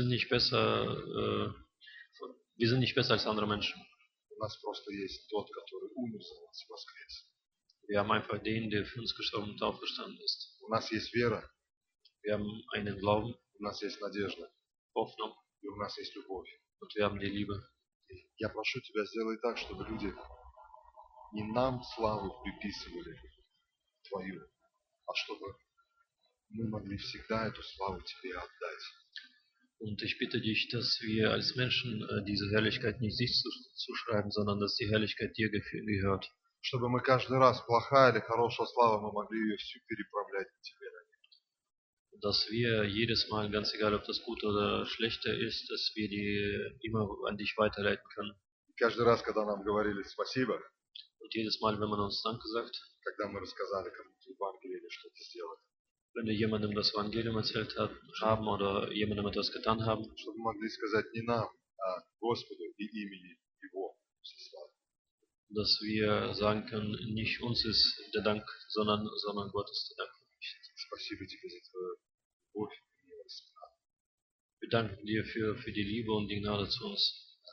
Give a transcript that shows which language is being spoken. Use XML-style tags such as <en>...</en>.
<de>Wir sind nicht besser als andere Menschen. Wir haben einfach den, der für uns gestorben und auferstanden ist. Wir haben einen Glauben. Hoffnung.</de> <ru>И у нас есть любовь. Вот я мне либо. Я прошу тебя, сделай так, чтобы люди не нам славу приписывали твою, а чтобы мы могли всегда эту славу тебе отдать.</ru> <de>Und ich bitte dich, dass wir als Menschen diese Herrlichkeit nicht sich zuschreiben, sondern dass die Herrlichkeit dir gehört.</de> <ru>Чтобы мы каждый раз плохая или хорошая слава, мы могли ее всю переправлять тебе.</ru> <de>Dass wir jedes Mal, ganz egal ob das Gute oder Schlechte ist, dass wir die immer an dich weiterleiten können.</de> <ru>Каждый раз, когда нам говорили спасибо,</ru> <de>und jedes Mal, wenn man uns Danke sagt,</de> <ru>когда мы рассказали кому-то Евангелие или что-то сделали,</ru> <de>wenn wir jemandem das Evangelium erzählt haben oder jemandem etwas getan haben,</de> <ru>чтобы мы могли сказать не нам, а Господу и имени Его.</ru> <de>Dass wir sagen können, nicht uns ist der Dank, sondern Gott ist der Dank.</de> <ru>Спасибо тебе за твою любовь и милость.</ru> <de>Wir danken dir für die Liebe und die Gnade zu uns.</de>